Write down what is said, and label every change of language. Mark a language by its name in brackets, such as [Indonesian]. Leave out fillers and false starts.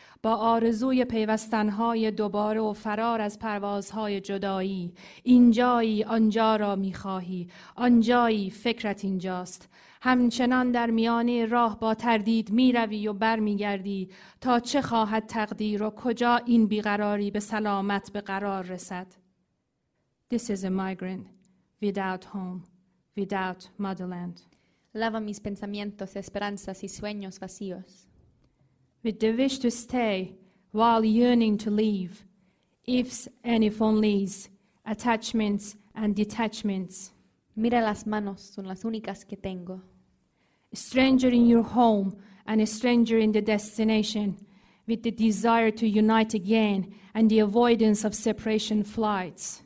[Persian] با آرزوی پیوستنهای دوباره و فرار از پروازهای جدایی، اینجایی آنجا را میخواهی، آنجایی فکرت اینجاست. همچنان در میانه راه با تردید میروی و برمیگردی تا چه خواهد تقدیر و کجا این بیقراری به سلامت به قرار رسد. [English] This is a migrant without home, without motherland. [Spanish] Lava mis pensamientos, esperanzas y sueños vacíos. [English] With the wish to stay while yearning to leave, ifs and if onlys, attachments and detachments. [Spanish] Mira las manos, son las únicas que tengo. [English] A stranger in your home and a stranger in the destination, with the desire to unite again and the avoidance of separation flights.